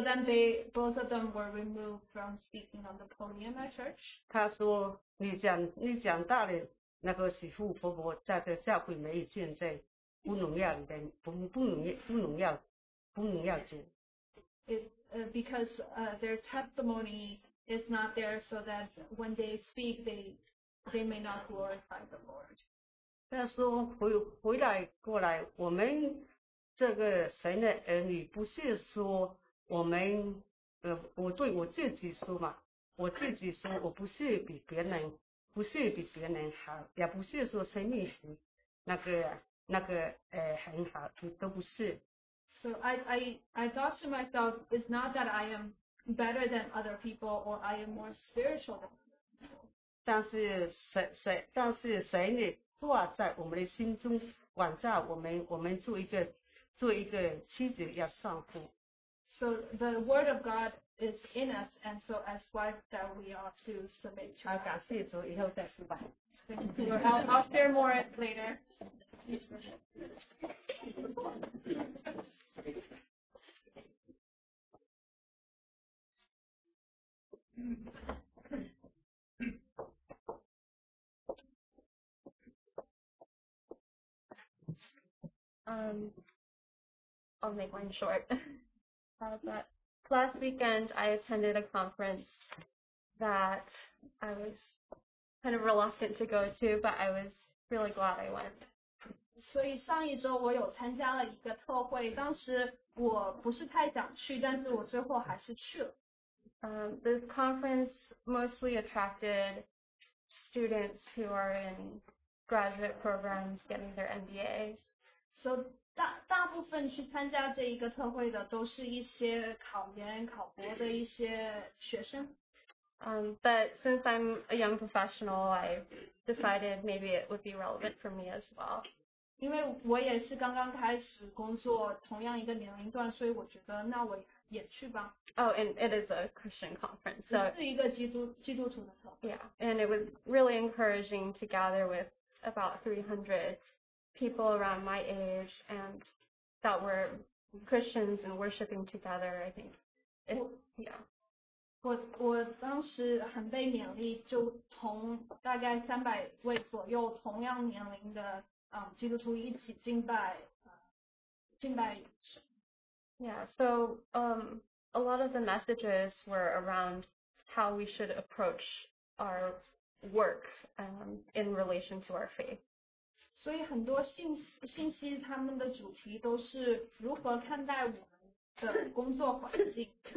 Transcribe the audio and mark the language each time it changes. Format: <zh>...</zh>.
<en>then they both of them were removed from speaking on the podium at church.</en> <zh>他说你讲大的那个媳妇婆婆在这教会没有见证，不荣耀人，不荣耀主。</zh> <en>Because their testimony is not there, so that when they speak, they may not glorify the Lord.</en> <zh>他说回来过来我们。这个神的儿女不是说我们，我对我自己说嘛，我自己说我不是比别人不是比别人好，也不是说生命很很好，都不是。</zh> <en>So I thought to myself, it's not that I am better than other people or I am more spiritual than other people.</en> <zh>但是神的话在我们的心中管教我们，我们做一个妻子要顺服。</zh> <en>So the word of God is in us, and so as wife that we ought to submit to.</en> <zh>好，感谢主，以后再说吧。</zh> <en>I'll share more later. I'll make one short. How's that? Last weekend, I attended a conference that I was kind of reluctant to go to, but I was really glad I went.</en> <zh>所以上一周我有参加了一个特会，当时我不是太想去，但是我最后还是去了。</zh> <en>The conference mostly attracted students who are in graduate programs getting their MBAs. So</en> <zh>大部分去参加这一个特会的都是一些考研考博的一些学生。</zh> <en>But since I'm a young professional, I decided maybe it would be relevant for me as well.</en> <zh>因为我也是刚刚开始工作，同样一个年龄段，所以我觉得那我也去吧。</zh> <en>Oh, and it is a Christian conference. So</en> <zh>是一个基督徒的特会。</zh> <en>Yeah, and it was really encouraging to gather with about 300 people around my age and that were Christians and worshiping together, I think. Yeah.</en> <zh>我当时很被勉励，就同大概300位左右同样年龄的基督徒一起敬拜神。</zh> <en>Yeah, so a lot of the messages were around how we should approach our work in relation to our faith.</en> <zh>所以很多信息他们的主题都是如何看待我们的工作环境。</zh>